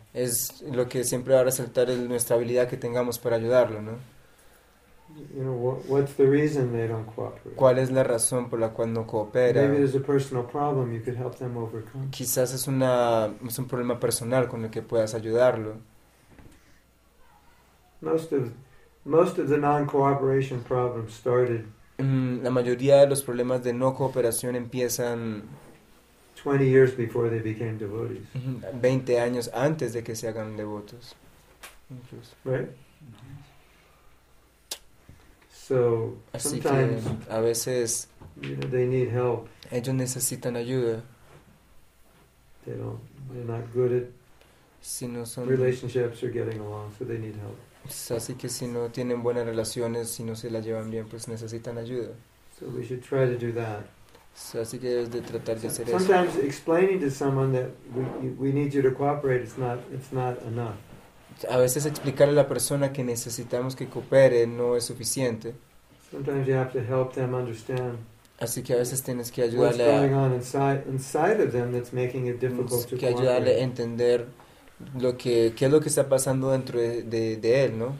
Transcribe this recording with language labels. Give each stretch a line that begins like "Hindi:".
Spanish: Es lo que siempre va a resaltar es nuestra habilidad que tengamos para ayudarlo, ¿no?
English: You know, what's the reason they don't cooperate?
Spanish: ¿Cuál es la razón por la cual no coopera?
English: Maybe there's a personal problem you could help them overcome.
Spanish: Quizás es un problema personal con el que puedas ayudarlo.
English: Most of the non-cooperation problems started.
Spanish: La mayoría de los problemas de no cooperación empiezan
English: 20 years before they became devotees.
Spanish: 20 años antes de que se hagan devotos. Incluso.
English: Right? So,
Spanish: así
English: sometimes
Spanish: que a veces,
English: you know, they need help.
Spanish: Ellos necesitan ayuda.
English: They're not good at
Spanish: si no son
English: relationships or getting along, so they need help.
Spanish: Así que si no tienen buenas relaciones, si no se las llevan bien, pues necesitan ayuda.
English: So we should try to do that.
Spanish: Así que debes de tratar de hacer
English: sometimes
Spanish: eso.
English: Sometimes explaining to someone that we need you to cooperate it's not enough.
Spanish: A veces explicarle a la persona que necesitamos que coopere no es suficiente.
English: Sometimes you have to help them understand.
Spanish: Así que a veces tienes que ayudarle.
English: What's going on inside of them that's making it difficult to cooperate.
Spanish: Que ayudarle a entender qué es lo que está pasando dentro de él, ¿no?